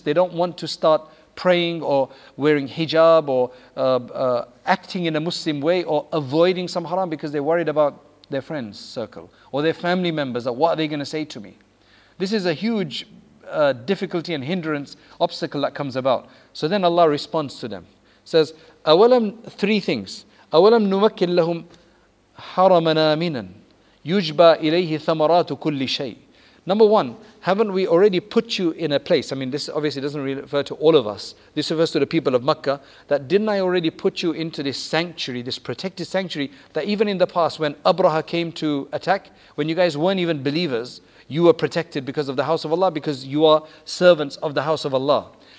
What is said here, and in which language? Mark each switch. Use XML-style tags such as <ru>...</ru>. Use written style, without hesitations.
<en>They don't want to start praying or wearing hijab or acting in a Muslim way or avoiding some haram because they're worried about their friends' circle or their family members. Or what are they going to say to me? This is a huge difficulty and hindrance, obstacle that comes about. So then Allah responds to them. Says,</en> <ar>أولم,</ar> <en>three things.</en> <ar>أولم نمكن لهم حرمنا آمنا يجبى إليه ثمرات كل شيء.</ar> <en>Number one, haven't we already put you in a place? I mean, this obviously doesn't really refer to all of us. This refers to the people of Makkah. That didn't I already put you into this sanctuary, this protected sanctuary, that even in the past when Abraha came to attack, when you guys weren't even believers, you were protected because of the house of Allah, because you are servants of the house of Allah.</en>